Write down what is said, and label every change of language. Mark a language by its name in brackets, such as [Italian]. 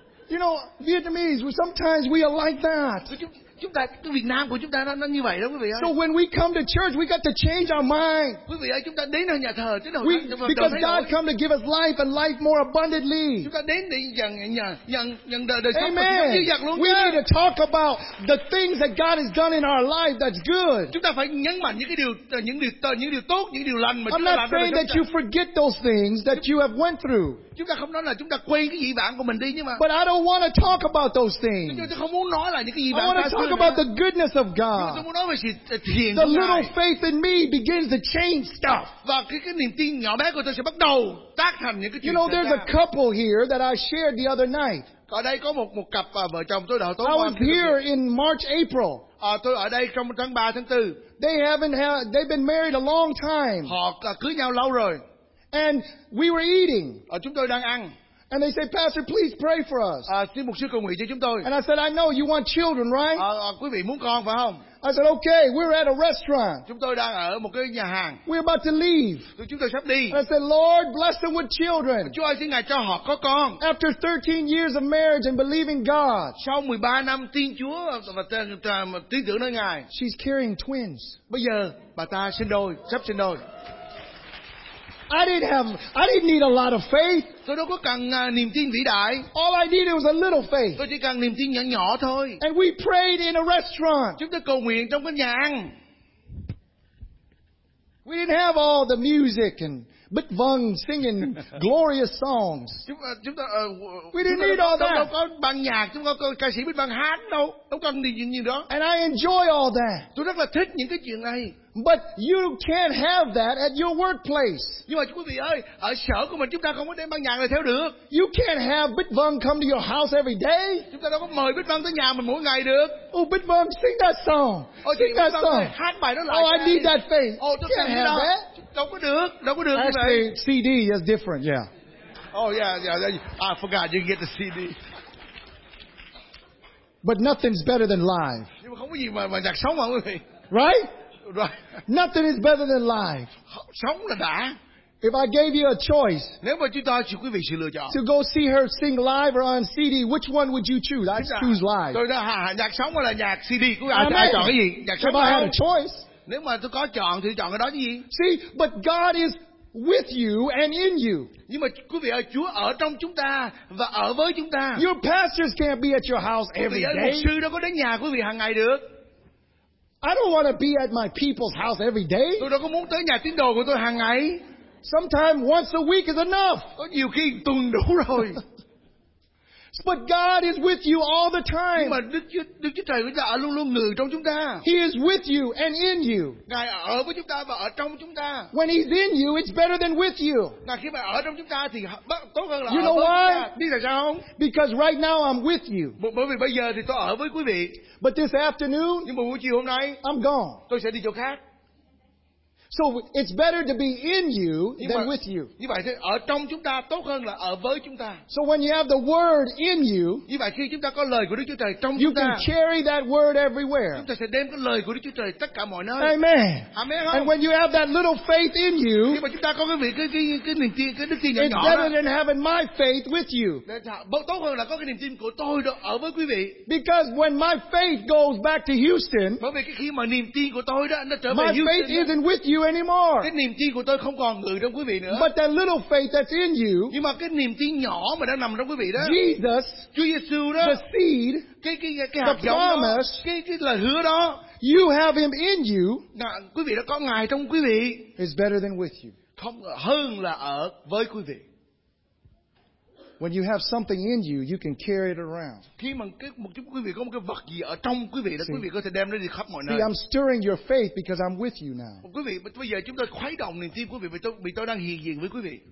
[English] You know, Vietnamese, sometimes we are like that. [Vietnamese] Chúng ta, cái Việt Nam của chúng ta nó như vậy đó quý vị ơi. [English] So when we come to church, we got to change our mind. [Vietnamese] Quý vị ơi, chúng ta đến nhà thờ, chúng ta phải thay đổi. [English] Because God come to give us life and life more abundantly. [Vietnamese] Chúng ta đến để nhận đời sống của chúng ta dư dật luôn. [English] We need to talk about the things that God has done in our life that's good. [Vietnamese] Chúng ta phải nhấn mạnh những điều tốt, những điều lành mà Chúa đã làm cho chúng ta. [English] I'm not saying that you forget those things that you have went through. [Vietnamese] Chúng ta không nói là chúng ta quên cái dị vãng của mình đi nhưng mà. [English] But I don't want to talk about those things. [Vietnamese] Chúng ta không muốn nói là những cái dị vãng [English] ta. talk about the goodness of God. The little faith in me begins to change stuff. You know, there's a couple here that I shared the other night. [Vietnamese] Đây có một cặp vợ chồng tôi đã tối [English] I was here in March, April. [Vietnamese] Tôi ở đây trong tháng 3, tháng 4. [English] They've been married a long time. [Vietnamese] Họ cưới nhau lâu rồi. [English] And we were eating. [Vietnamese] Chúng tôi đang ăn. [English] And they say, Pastor, please pray for us. [Vietnamese] Xin mục sư cầu nguyện cho chúng tôi. [English] And I said, I know you want children, right? [Vietnamese] Quý vị muốn con phải không? [English] I said, okay, we're at a restaurant. [Vietnamese] Chúng tôi đang ở một cái nhà hàng. [English] We're about to leave. [Vietnamese] Chúng tôi sắp đi. [English] And I said, Lord, bless them with children. [Vietnamese] Chúa ơi, xin Ngài cho họ có con. [English] After 13 years of marriage and believing God. [Vietnamese] Sau 13 năm tin Chúa và tin tưởng nơi Ngài. [English] She's carrying twins. [Vietnamese] Bây giờ bà ta sinh đôi, sắp sinh đôi. [English] I didn't need a lot of faith. [Vietnamese] Tôi đâu có cần niềm tin vĩ đại. [English] All I needed was a little faith. [Vietnamese] Tôi chỉ cần niềm tin nhỏ nhỏ thôi. [English] And we prayed in a restaurant. [Vietnamese] Chúng tôi cầu nguyện trong cái nhà ăn. [English] We didn't have all the music and Bích Vân singing glorious songs. We didn't need all that. [Vietnamese] Đâu có ban nhạc, chúng có ca sĩ Bích Vân hát đâu. Đâu cần gì như đó. [English] And I enjoy all that. [Vietnamese] Tôi rất là thích những cái chuyện này. [English] But you can't have that at your workplace. [Vietnamese] Nhưng mà quý vị ơi, ở sở của mình chúng ta không có đem ban nhạc này theo được. [English] You can't have Bích Vân come to your house every day. [Vietnamese] Chúng ta đâu có mời Bích Vân tới nhà mình mỗi ngày được. [English] Oh, Bích Vân, sing that song. Sing that song. [Vietnamese] Hát bài đó lại. [English] Oh, I need that faith. [Vietnamese] Oh, tôi cần cái đó. Đâu có được như vậy. [English] CD is different, yeah. Oh, yeah. I forgot you can get the CD. But nothing's better than live. [Vietnamese] Nhưng mà không có gì mà nhạc sống mà quý vị. [English] Right? Nothing is better than life. [Vietnamese] Sống là đã. [English] If I gave you a choice, [Vietnamese] nếu mà chúng ta cho quý vị sự lựa chọn, [English] to go see her sing live or on CD, which one would you choose? I choose live. [Vietnamese] Tôi đã nhạc sống hay là nhạc CD? Ai chọn cái gì? Nhạc sống. [English] If I had a choice, [Vietnamese] nếu mà tôi có chọn thì chọn cái đó gì? [English] See, but God is with you and in you. [Vietnamese] Nhưng mà quý vị ơi, Chúa ở trong chúng ta và ở với chúng ta. [English] Your pastors can't be at your house every day. [Vietnamese] Mục sư đâu có đến nhà quý vị hàng ngày được. [English] I don't want to be at my people's house every day. [Vietnamese] Tôi đâu có muốn tới nhà tín đồ của tôi hàng ngày. [English] Sometimes once a week is enough. [Vietnamese] Có nhiều khi tuần đủ rồi. [English] But God is with you all the time. [Vietnamese] Nhưng mà Đức Chúa Trời của ta luôn luôn ngự trong chúng ta. [English] He is with you and in you. [Vietnamese] Ngài ở với chúng ta và ở trong chúng ta. [English] When He's in you, it's better than with you. [Vietnamese] Ngài khi mà ở trong chúng ta thì tốt hơn là [English] you [Vietnamese] ở [English] know [Vietnamese] với [English] why? [Vietnamese] Chúng ta. Biết tại sao không? [English] Because right now I'm with you. [Vietnamese] Bởi vì bây giờ thì tôi ở với quý vị. [English] But this afternoon, [Vietnamese] nhưng mà buổi chiều hôm nay, [English] I'm gone. [Vietnamese] Tôi sẽ đi chỗ khác. [English] So it's better to be in you than with you. [Vietnamese] Như vậy thì ở trong chúng ta tốt hơn là ở với chúng ta. [English] So when you have the word in you, [Vietnamese] như vậy khi chúng ta có lời của Đức Chúa Trời trong [English] you [Vietnamese] chúng ta, [English] can carry that word everywhere. [Vietnamese] Chúng ta sẽ đem cái lời của Đức Chúa Trời tất cả mọi nơi. [English] Amen. [Vietnamese] Amen không? [English] And when you have that little faith in you, [Vietnamese] khi mà chúng ta có cái niềm tin cái đức tin nhỏ [English] nhỏ, it's better than having my faith with you. [Vietnamese] Tốt hơn là có cái niềm tin của tôi đó, ở với quý vị. [English] Because when my faith goes back to Houston, [Vietnamese] bởi vì khi mà niềm tin của tôi đó nó trở [English] my [Vietnamese] về [English] faith [Vietnamese] Houston, [English] isn't with you anymore. [Vietnamese] Cái niềm tin của tôi không còn ngự trong quý vị nữa. [English] But that little faith that's in you. [Vietnamese] Nhưng mà cái niềm tin nhỏ mà đang nằm trong quý vị đó. [English] Jesus, [Vietnamese] Chúa Giêsu đó. [English] The seed, [Vietnamese] cái [English] the promise, [Vietnamese] đó, cái lời hứa đó. [English] You have Him in you. [Vietnamese] Quý vị đã có Ngài trong quý vị. [English] Is better than with you. [Vietnamese] Không hơn là ở với quý vị. [English] When you have something in you, you can carry it around. [Vietnamese] Khi mà một chút quý vị có một cái vật gì ở trong quý vị đó, quý vị có thể đem nó đi khắp mọi nơi. [English] See, I'm stirring your faith because I'm with you now. [Vietnamese] Quý vị, bây giờ chúng tôi khuấy động niềm tin quý vị vì tôi đang hiện diện với quý vị.